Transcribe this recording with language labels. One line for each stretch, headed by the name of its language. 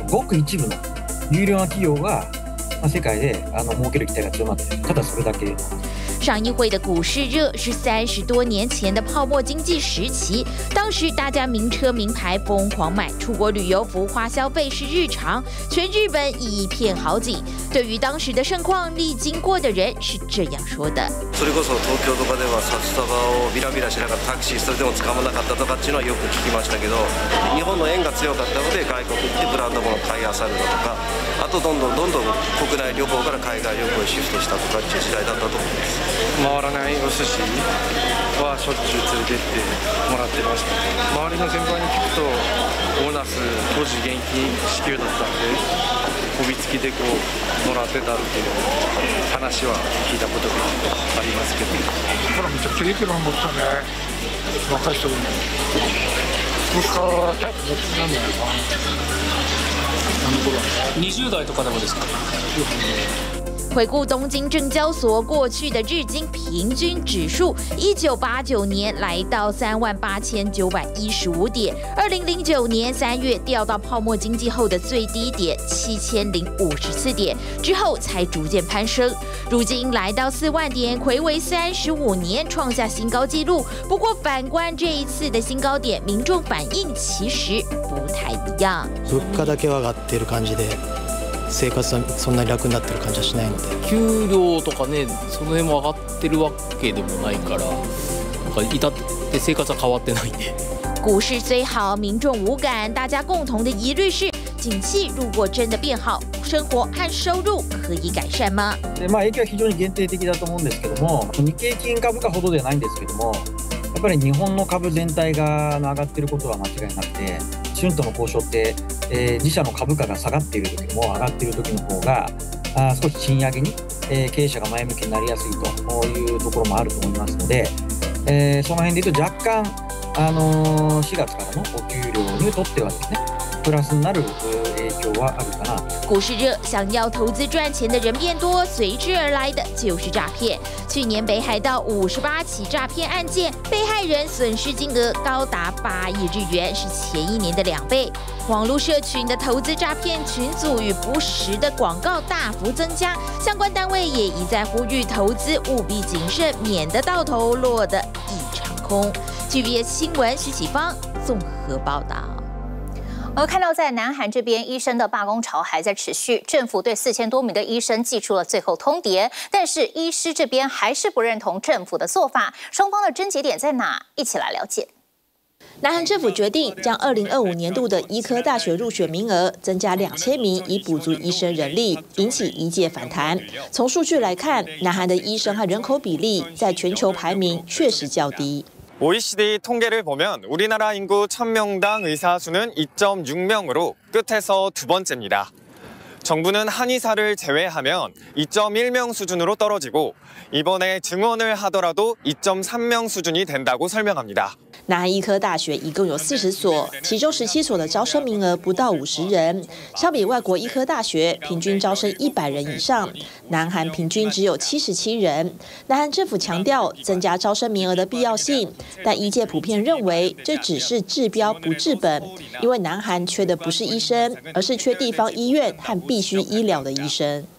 Japanese: ごく一部の優良な企業が、まあ、世界で儲ける期待が強まっている。ただそれだけ。
Chinese: 上议会的股市热是30多年前的泡沫经济时期，当时大家名车名牌疯狂买，出国旅游浮花消费是日常，全日本一片好景。对于当时的盛况，历经过的人是这样说的：
Japanese: それこそ東京とかでは札束をビラビラしながらタクシーそれでも捕まなかったとかっていうのはよく聞きましたけど、日本の円が強かったので外国行ってブランド物を買い漁るとか、あとどんどん国内旅行から海外旅行へシフトしたとかっていう時代だったと思います。回らないお寿司はしょっちゅう連れてってもらってました。周りの先輩に聞くと、ボーナス当時現金支給だったんで、こびつきでこうもらってたっていう話は聞いたことがありますけど。ほら、めちゃくちゃいい車持ったね。若い人に。物価は高くなってないのかな。何頃？ 20代とかでもですか？
Chinese: 回顾东京证交所过去的日经平均指数，1989年来到38915点，2009年3月掉到泡沖经济后的最低点7054点，之后才逐渐攀升。如今来到40000点，回违35年，创下新高纪录。不过反观这一次的新高点，民众反应其实不太一样。
Japanese: 物価だけ上がってる感じで。生活はそんなに楽になってる感じはしないので、給料とかね、その辺も上がってるわけでもないから、なんか至って生活は変わってないんで。
Chinese: 股市虽好，民众无感，大家共同的疑虑是，景气如果真的变好，生活和收入可以改善吗？
Japanese: 影響は非常に限定的だと思うんですけども、日経平均株価ほどではないんですけども、やっぱり日本の株全体が上がっていることは間違いなくて、春闘の交渉って、自社の株価が下がっている時も上がっている時の方が少し賃上げに、経営者が前向きになりやすいというところもあると思いますので、その辺でいうと若干、4月からのお給料にとってはですね、プラスになる影響はあるかな。
Chinese: 股市热，想要投资赚钱的人变多，随之而来的就是诈骗。去年北海道58起诈骗案件，被害人损失金额高达8亿日元，是前一年的两倍。网络社群的投资诈骗群组与不实的广告大幅增加，相关单位也一再呼吁投资务必谨慎，免得到头落得一场空。 TVBS 新闻徐启芳综合报道。而看到在南韩这边，医生的罢工潮还在持续，政府对4000多名的医生寄出了最后通牒，但是医师这边还是不认同政府的做法，双方的争节点在哪？一起来了解。南韩政府决定将2025年度的医科大学入学名额增加2000名，以补足医生人力，引起医界反弹。从数据来看，南韩的医生和人口比例在全球排名确实较低。
Korean: OECD 통계를보면우리나라인구1000명당의사수는 2.6명으로 끝에서 두 번째입니다. 정부는 한의사를 제외하면 2.1명 수준으로 떨어지고 이번에 증원을 하더라도 2.3명 수준이 된다고 설명합니다.
Chinese: 南韩医科大学一共有40所，其中17所的招生名额不到50人，相比外国医科大学平均招生100人以上，南韩平均只有77人。南韩政府强调增加招生名额的必要性，但医界普遍认为这只是治标不治本，因为南韩缺的不是医生，而是缺地方医院和必须医疗的医生。